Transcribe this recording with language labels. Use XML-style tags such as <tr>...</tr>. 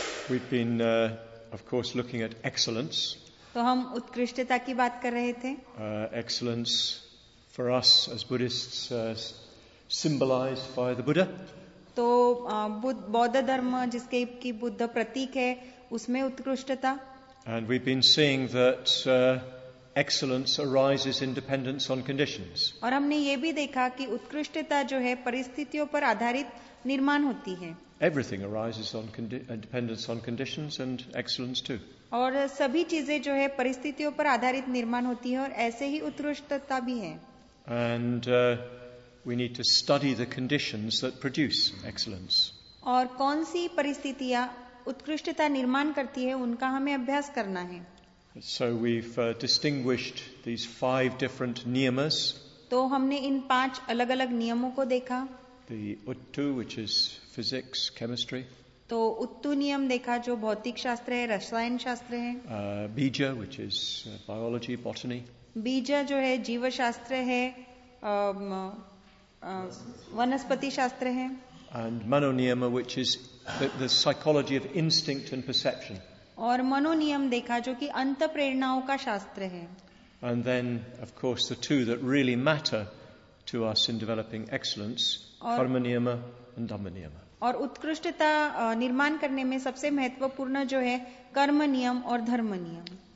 <en>We've been, of course, looking at excellence.</en> <hi>तो हम उत्कृष्टता की बात कर रहे थे.</hi> <en>Excellence for us as Buddhists symbolized by the Buddha.</en> <hi>तो बौद्ध धर्म जिसके की बुद्ध प्रतीक है उसमें उत्कृष्टता.</hi> <en>And we've been seeing that excellence arises in dependence on conditions.</en> <hi>और हमने ये भी देखा कि उत्कृष्टता जो है परिस्थितियों पर आधारित निर्माण होती है.</hi> <en>Everything arises on dependence on conditions and excellence too.</en> <hi>और सभी चीजें जो है परिस्थितियों पर आधारित निर्माण होती है और ऐसे ही उत्कृष्टता भी है.</hi> <en>And we need to study the conditions that produce excellence.</en> <hi>और कौन सी परिस्थितियां उत्कृष्टता निर्माण करती है उनका हमें अभ्यास करना है.</hi> <en>So we've distinguished these five different niyamas.</en> <hi>तो हमने इन पांच अलग-अलग नियमों को देखा.</hi> <en>The uttu, which is physics, chemistry.</en> <hi>तो उत्तु नियम देखा जो भौतिक शास्त्र है, रसायन शास्त्र है.</hi> <en>Bija, which is biology, botany.</en> <hi>Bija जो है जीव शास्त्र है, वनस्पति शास्त्र है.</hi> <en>And mano niyama, which is the psychology of instinct and perception.</en> <hi>और मनोनियम देखा जो कि अंत प्रेरणाओं का शास्त्र है.</hi> <en>And then, of course, the two that really matter to us in developing excellence, karma niyama and dhamma niyama.</en> <hi>और उत्कृष्टता निर्माण करने में सबसे महत्वपूर्ण जो है कर्म नियम और धर्म नियम.</hi>